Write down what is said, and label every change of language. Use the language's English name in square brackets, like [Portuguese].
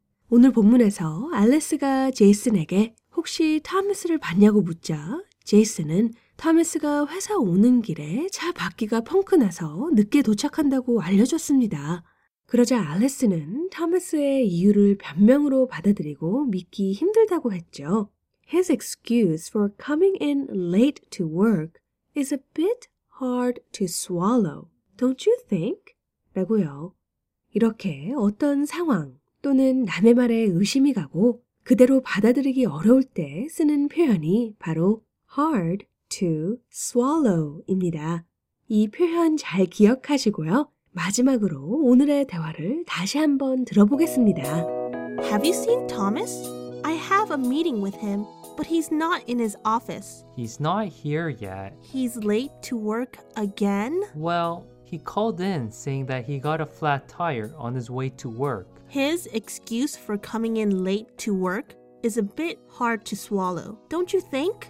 [Korean] 오늘 본문에서 알리스가 제이슨에게 혹시 토마스를 봤냐고 묻자 제이슨은 토마스가 회사 오는 길에 차 바퀴가 펑크 나서 늦게 도착한다고 알려줬습니다. 그러자 알리스는 토마스의 이유를 변명으로 받아들이고 믿기 힘들다고 했죠. [English] His excuse for coming in late to work is a bit hard to swallow, don't you think? [Korean] 라고요. 이렇게 어떤 상황 또는 남의 말에 의심이 가고 그대로 받아들이기 어려울 때 쓰는 표현이 바로 hard to swallow입니다. 이 표현 잘 기억하시고요. 마지막으로 오늘의 대화를 다시 한번 들어보겠습니다. [English] Have you seen Thomas? I have a meeting with him, but he's not in his office. He's not here yet. He's late to work again? Well, he called in saying that he got a flat tire on his way to work. His excuse for coming in late to work is a bit hard to swallow, don't you think?